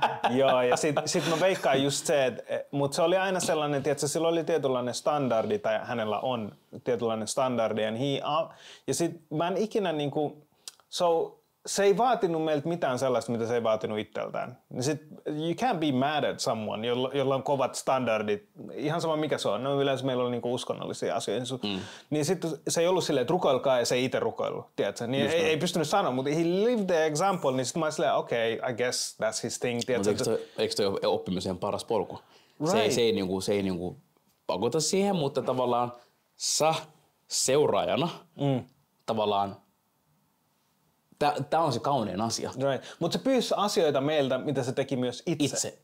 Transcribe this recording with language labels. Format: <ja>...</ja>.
<fi>Joo, ja sit mä veikkaan just se, mutta se oli aina sellainen, tiedätkö, sillä oli tietynlainen standardi, tai hänellä on tietynlainen standardi, and ja sit mä en ikinä niinku, so, se ei vaatinut meiltä mitään sellaista, mitä se ei vaatinut itseltään.</fi> <en>You can't be mad at someone,</en> <fi>jolla on kovat standardit. Ihan sama mikä se on. No, yleensä meillä on niinku uskonnollisia asioita. Mm. Niin sit se ei ollut silleen, että rukoilkaa ja se ei itse rukoillut. Tiedätkö? Niin ei pystynyt sanoa, mutta</fi> <en>he lived the example.</en> <fi>Niin sit mä olin silleen,</fi> <en>okay, I guess that's his thing.</en> <fi>Eikö toi ole oppimisen paras polku? Right. Se ei niinku pakota siihen, mutta tavallaan sä seuraajana tavallaan Tämä on se kaunein asia.</fi> <en>Right.</en> <fi>Mutta se pyysi asioita meiltä, mitä se teki myös itse.</fi>